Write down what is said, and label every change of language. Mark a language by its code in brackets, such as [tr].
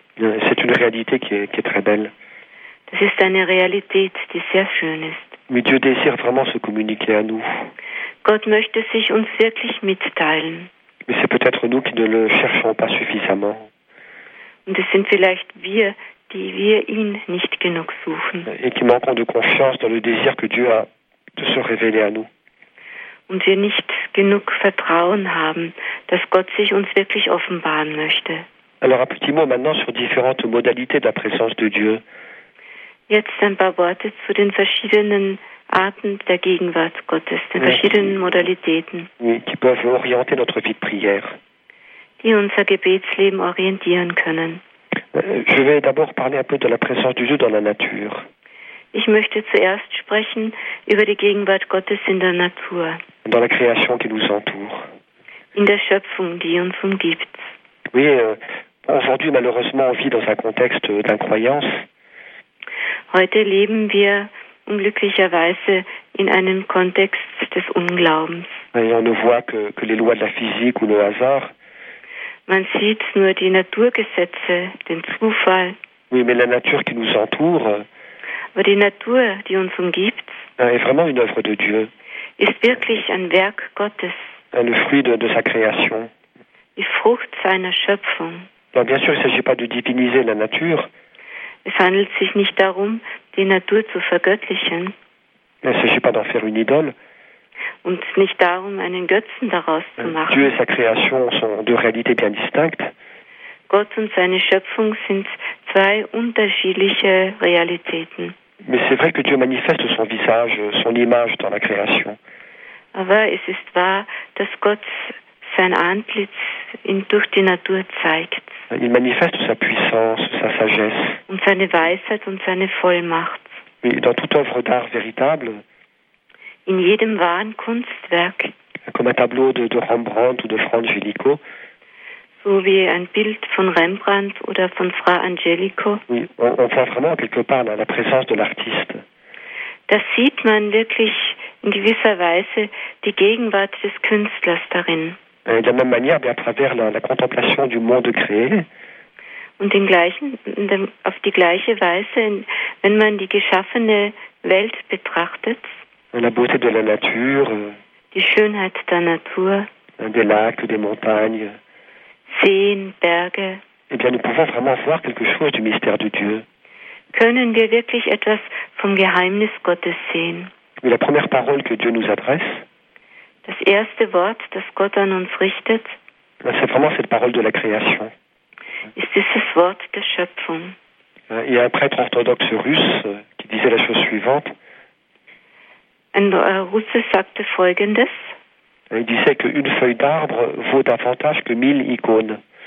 [fr] C'est une réalité qui est très belle. [de] Das ist eine Realität, die sehr schön ist. [fr] Mais Dieu désire vraiment se communiquer à nous. [de] Gott möchte sich uns wirklich mitteilen. [fr] Mais c'est peut-être nous qui ne le cherchons pas suffisamment. [de] Und es sind vielleicht wir, die wir ihn nicht genug suchen. [fr] Et qui manquons de confiance dans le désir que Dieu a de se révéler à nous. [de] Und wir nicht genug Vertrauen haben, dass Gott sich uns wirklich offenbaren möchte. [fr] Alors un petit mot maintenant sur différentes modalités de la présence de Dieu. [de] Jetzt ein paar Worte zu den verschiedenen Arten der Gegenwart Gottes, den verschiedenen Modalitäten. [fr] Qui peuvent orienter notre vie de prière. [de] Die unser Gebetsleben orientieren können. [fr] Je vais d'abord parler un peu de la présence de Dieu dans la nature. [de] Ich möchte zuerst sprechen über die Gegenwart Gottes in der Natur. [fr] Dans la création qui nous entoure. [de] In der Schöpfung, die uns umgibt. [fr] Oui, aujourd'hui malheureusement on vit dans un contexte d'incroyance. [de] Heute leben wir unglücklicherweise in einem Kontext des Unglaubens. [fr] Et on ne voit que les lois de la physique ou le hasard. [de] Man sieht nur die Naturgesetze, den Zufall. [fr] Oui, mais la nature qui nous entoure. [de] Aber die Natur, die uns umgibt, [fr] est vraiment une œuvre de Dieu. [de] Ist wirklich ein Werk Gottes. [fr] Le fruit de sa création. [de] Die Frucht seiner Schöpfung. [fr] Alors, bien sûr, il ne s'agit pas de diviniser la nature. [de] Es handelt sich nicht darum, die Natur zu vergöttlichen. [fr] Il ne s'agit pas d'en faire une idole. [de] Und nicht darum, einen Götzen daraus zu machen. [fr] Dieu et sa création sont deux réalités bien distinctes. [de] Gott und seine Schöpfung sind zwei unterschiedliche Realitäten. [fr] Mais c'est vrai que Dieu manifeste son visage, son image dans la création. [de] Aber es ist wahr, dass Gott sein Antlitz durch die Natur zeigt. [fr] Il manifeste sa puissance, sa sagesse. [de] Und seine Weisheit und seine Vollmacht. [fr] Mais dans toute œuvre d'art véritable. [de] In jedem wahren Kunstwerk. [fr] Comme un tableau de Rembrandt ou de Fra Angelico. [de] So wie ein Bild von Rembrandt oder von Fra Angelico. [fr] On voit vraiment quelque part la présence de l'artiste. [de] Das sieht man wirklich in gewisser Weise die Gegenwart des Künstlers darin. [fr] De la même manière, à travers la contemplation du monde créé. [de] Und auf die gleiche Weise, wenn man die geschaffene Welt betrachtet. [fr] La beauté de la nature. [de] Die Schönheit der Natur. [fr] Des lacs, des montagnes. [de] Seen, Berge. [fr] Eh bien, nous pouvons vraiment voir quelque chose du mystère de Dieu. [de] Können wir wirklich etwas vom Geheimnis Gottes sehen? [fr] Mais la première parole que Dieu nous adresse. [de] Das erste Wort, das Gott an uns richtet. [fr] C'est vraiment cette parole de la création. [de] Ist dieses Wort der Schöpfung. [fr] Il y a un prêtre orthodoxe russe qui disait la chose suivante. [de] Ein Russe sagte Folgendes. [fr] Il disait que une feuille d'arbre vaut davantage que 1000 icônes.